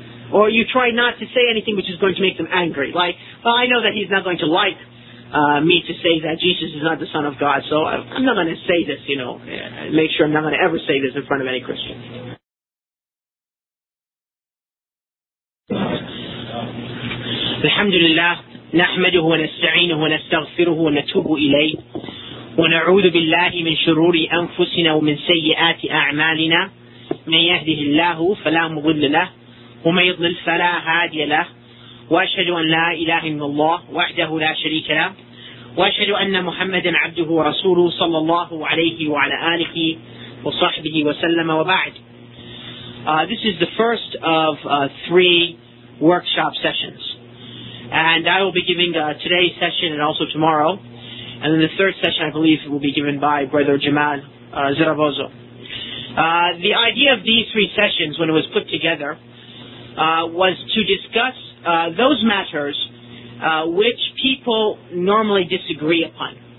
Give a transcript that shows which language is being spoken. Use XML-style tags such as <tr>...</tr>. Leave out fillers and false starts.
<en>Or you try not to say anything which is going to make them angry. Like, well, I know that he's not going to like me to say that Jesus is not the Son of God, so I'm not going to say this, you know, make sure I'm not going to ever say this in front of any Christian.</en> <ar>الحمد لله نحمده ونستعينه ونستغفره ونتوب إليه ونعوذ بالله من شرور أنفسنا ومن سيئات أعمالنا من يهده الله فلا مضل له ومن يضلل فلا هادي له وأشهد أن لا إله إلا الله وحده لا شريك له وأشهد أن محمدا عبده ورسوله صلى الله عليه وعلى آله وصحبه وسلم وبعد.</ar> <en>This is the first of three workshop sessions. And I will be giving today's session and also tomorrow. And then the third session, I believe, will be given by Brother Jamal Zaragoza. The idea of these three sessions, when it was put together, was to discuss those matters which people normally disagree upon.</en>